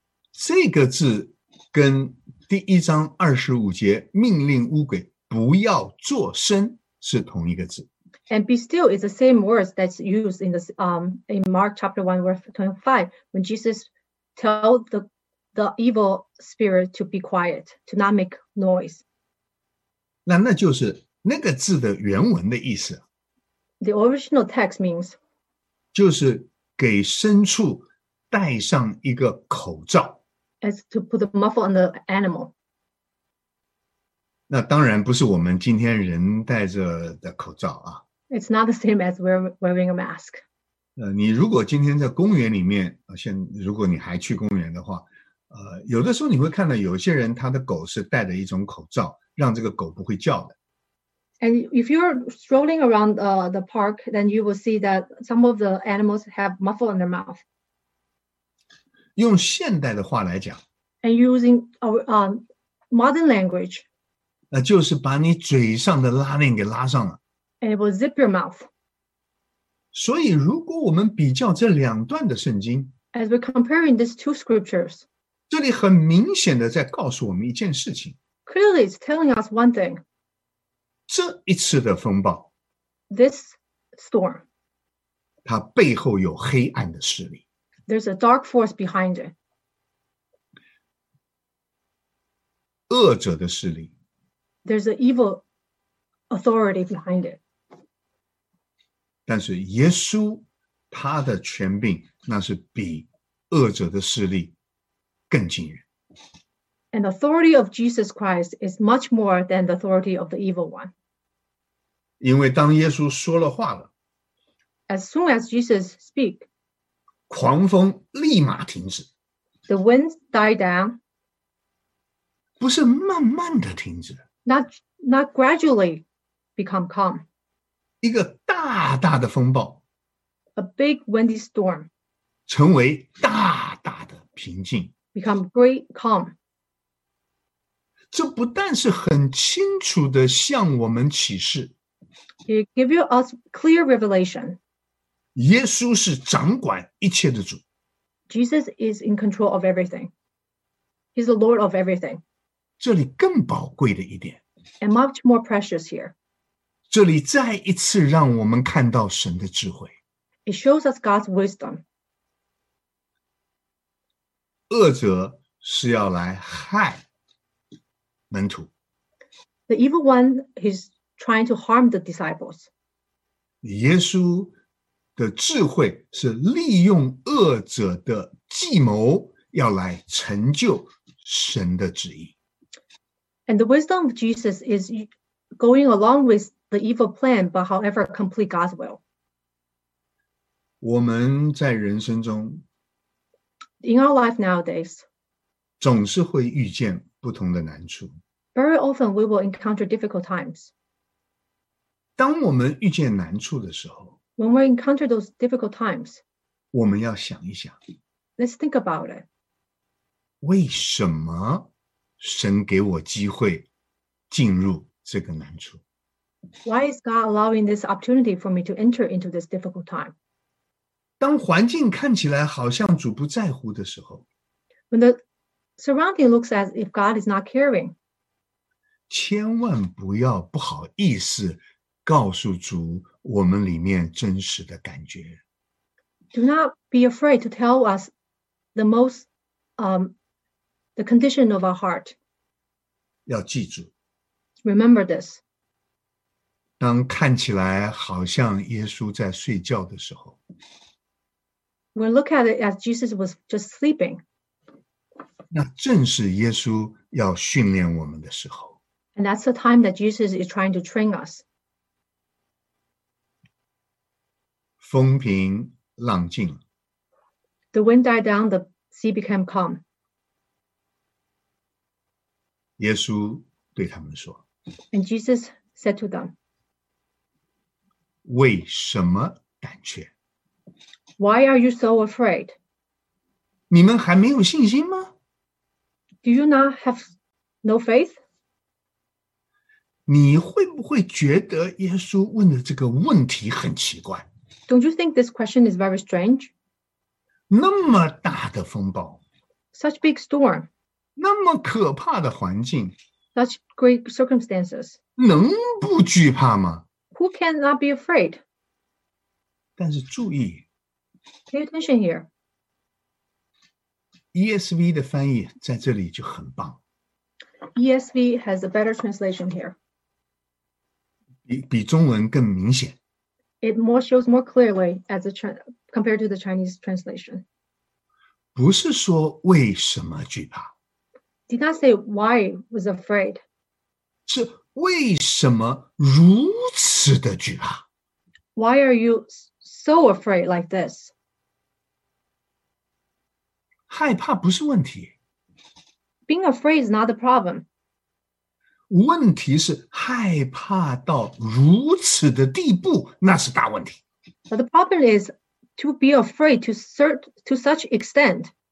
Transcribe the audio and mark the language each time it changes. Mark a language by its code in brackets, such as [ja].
[zh] 这个字跟第一章二十五节命令乌鬼不要作声是同一个字。 [en] And be still is the same words that's used in in Mark chapter 1 verse 25 when Jesus tell the evil spirit to be quiet, to not make noise. [zh] 那就是那个字的原文的意思。 [en] The original text means [zh] 就是给牲畜戴上一个口罩。 [en] As to put the muffle on the animal. [zh] 那当然不是我们今天人戴着的口罩啊。 [en] It's not the same as wearing a mask. [zh] 你如果今天在公园里面，如果你还去公园的话，有的时候你会看到有些人他的狗是戴着一种口罩，让这个狗不会叫的。 [en] And if you're strolling around the park, then you will see that some of the animals have muffle in their mouth. [zh] 用现代的话来讲 [en] and using modern language, [zh] 就是把你嘴上的拉链给拉上了 [en] and it will zip your mouth. [zh] 所以如果我们比较这两段的圣经 [en] as we're comparing these two scriptures, [zh] 这里很明显的在告诉我们一件事情 [en] clearly it's telling us one thing. [zh] 这一次的风暴 [en] This storm [zh] 它背后有黑暗的势力 [en] There's a dark force behind it [zh] 恶者的势力 [en] There's an evil authority behind it [zh] 但是耶稣他的权柄那是比恶者的势力更惊人 [en] And the authority of Jesus Christ is much more than the authority of the evil one [zh] 因为当耶稣说了话了 [en] As soon as Jesus speak, [zh] 狂风立马停止 [en] The winds die down [zh] 不是慢慢的停止 [en] not gradually become calm [zh] 一个大大的风暴 [en] A big windy storm [zh] 成为大大的平静 [en] Become great calm [zh] 这不但是很清楚地向我们启示 [en] It gives us clear revelation. [zh] 耶稣是掌管一切的主。 [en] Jesus is in control of everything. He's the Lord of everything. [zh] 这里更宝贵的一点。 [en] And much more precious here. [zh] 这里再一次让我们看到神的智慧。 [en] It shows us God's wisdom. [zh] 恶者是要来害门徒 [en] The evil one is trying to harm the disciples. [zh] 耶稣的智慧是利用恶者的计谋要来成就神的旨意。 [en] And the wisdom of Jesus is going along with the evil plan, but however complete God's will. [zh] 我们在人生中 [en] In our life nowadays, [zh] 总是会遇见不同的难处。 [en] Very often we will encounter difficult times. [zh] 当我们遇见难处的时候 [en] When we encounter those difficult times, [zh] 我们要想一想 [en] Let's think about it. [zh] 为什么神给我机会进入这个难处 [en] Why is God allowing this opportunity for me to enter into this difficult time? [zh] 当环境看起来好像主不在乎的时候 [en] When the surrounding looks as if God is not caring, [zh] 千万不要不好意思告诉主我们里面真实的感觉。 [en] Do not be afraid to tell us the most, the condition of our heart. [zh] 要记住。 [en] Remember this. [zh] 当看起来好像耶稣在睡觉的时候。 [en] We look at it as Jesus was just sleeping. [zh] 那正是耶稣要训练我们的时候。 [en] And that's the time that Jesus is trying to train us. [zh] 风平浪静。 [en] The wind died down, the sea became calm. [zh] 耶稣对他们说。 [en] And Jesus said to them, [zh] 为什么胆怯? [en] Why are you so afraid? [zh] 你们还没有信心吗? [en] Do you not have no faith? [zh] 你会不会觉得耶稣问的这个问题很奇怪 [en] Don't you think this question is very strange? [zh] 那么大的风暴 [en] Such big storm [zh] 那么可怕的环境 [en] Such great circumstances [zh] 能不惧怕吗 [en] Who cannot be afraid? [zh] 但是注意 [en] Pay attention here [zh] ESV 的翻译在这里就很棒 [en] ESV has a better translation here [zh] 比中文更明显。 [en] It more shows more clearly as a compared to the Chinese translation. [zh] 不是说为什么惧怕。 [en] Did not say why was afraid. [zh] 是为什么如此的惧怕。 [en] Why are you so afraid like this? [zh] 害怕不是问题。 [en] Being afraid is not the problem. [zh] 问题是害怕到如此的地步，那是大问题。 [en] But the problem is to be afraid to such extent.